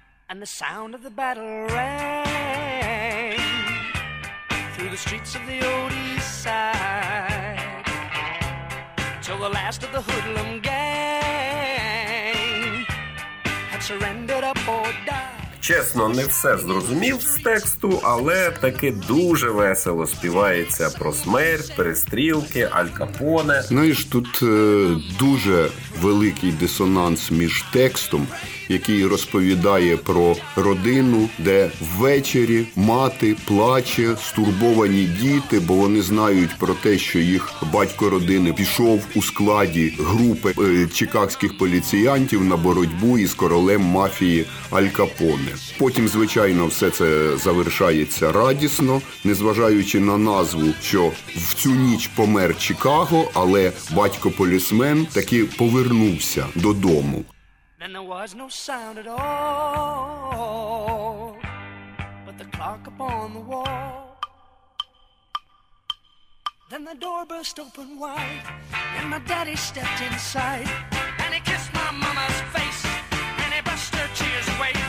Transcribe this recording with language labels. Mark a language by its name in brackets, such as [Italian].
[English] And the sound of the battle rang through the streets of the old east side, till the last of the hoodlum gang had surrendered up or died. [Ukrainian] Чесно, не все зрозумів з тексту, але таки дуже весело співається про смерть, перестрілки, Аль Капоне. Ну і ж тут дуже великий дисонанс між текстом, який розповідає про родину, де ввечері мати плаче, стурбовані діти, бо вони знають про те, що їх батько родини пішов у складі групи чикагських поліціянтів на боротьбу із королем мафії Аль Капоне. Потім, звичайно, все це завершається радісно, незважаючи на назву, що в цю ніч помер Чикаго, але батько-полісмен таки повернувся додому. [English] Then there was no sound at all, but the clock upon the wall. Then the door burst open wide, and my daddy stepped inside, and he kissed my mama's face, and he brushed her tears away.